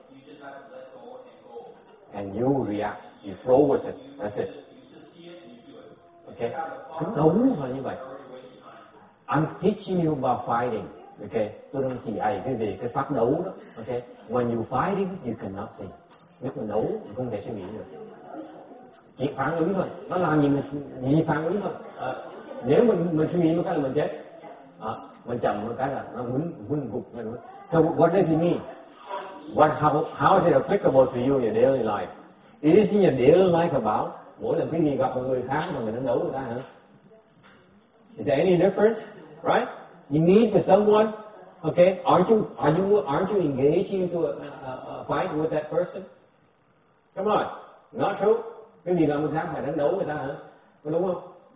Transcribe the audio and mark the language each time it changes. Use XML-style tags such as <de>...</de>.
<en>You just have to let go and go. And you react. You flow with it. That's it. You just see it and you do it. Okay.</en> <vi>Đúng là như vậy.</vi> <en>I'm teaching you about fighting. Okay.</en> <vi>Tôi đang chỉ dạy quý vị cái pháp đấu đó. Okay.</vi> <en>When you fighting, you cannot think.</en> <vi>Nếu mà đấu, mình không thể suy nghĩ được. Chỉ phản ứng thôi. Nó làm gì mình chỉ phản ứng thôi. Nếu mình suy nghĩ một cái là mình chết. Mình chậm một cái là nó muốn gục.</vi> <en>So what does it mean? How is it applicable to you in your daily life? It is in your daily life about</en> <vi>mỗi lần quý vị gặp một người khác mà mình đánh đấu người ta hả?</vi> <en>Is there any different? Right? You meet with someone, okay? Aren't you engaging into a fight with that person? Come on, not true.</en> <vi>Quý vị gặp người khác phải đánh đấu người ta hả? Đúng không?</vi>